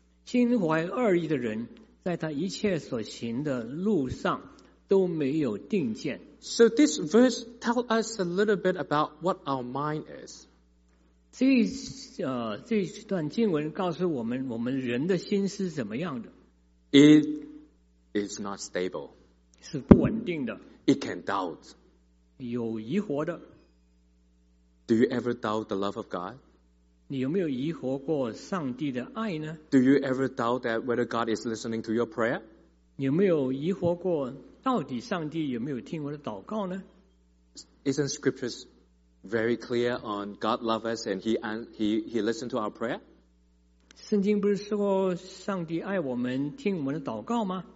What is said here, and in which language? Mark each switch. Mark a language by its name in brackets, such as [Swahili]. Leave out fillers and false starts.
[Chinese] 心怀恶意的人，在他一切所行的路上都没有定见。 [English] So this verse tells us a little bit about what our mind is. [Chinese] 这段经文告诉我们，我们人的心是怎么样的。 [English] It is not stable. [Chinese] 是不稳定的。 [English] It can doubt. [Chinese] 有疑惑的。 [English] Do you ever doubt the love of God? [Chinese] 你有没有疑惑过上帝的爱呢？ [English] Do you ever doubt that whether God is listening to your prayer? [Chinese] 你有没有疑惑过到底上帝有没有听我的祷告呢？ [English] Isn't scriptures very clear on God loves us and he listens to our prayer? [Chinese] 圣经不是说上帝爱我们，听我们的祷告吗？